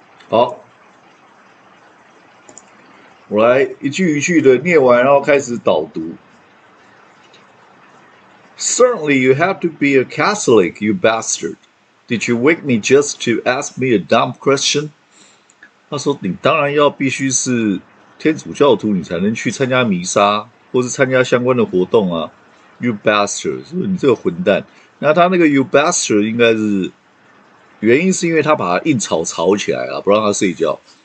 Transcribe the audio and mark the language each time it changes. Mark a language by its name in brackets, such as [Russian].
[Chinese] 好，我来一句一句的念完，然后开始导读。 [English] Certainly, you have to be a Catholic, you bastard. Did you wake me just to ask me a dumb question? [Chinese] 他说：“你当然要必须是天主教徒，你才能去参加弥撒或是参加相关的活动啊。 [English] You bastard, [Chinese] 是不是你这个混蛋？那他那个 you bastard 应该是原因，是因为他把他硬吵吵起来了，不让他睡觉。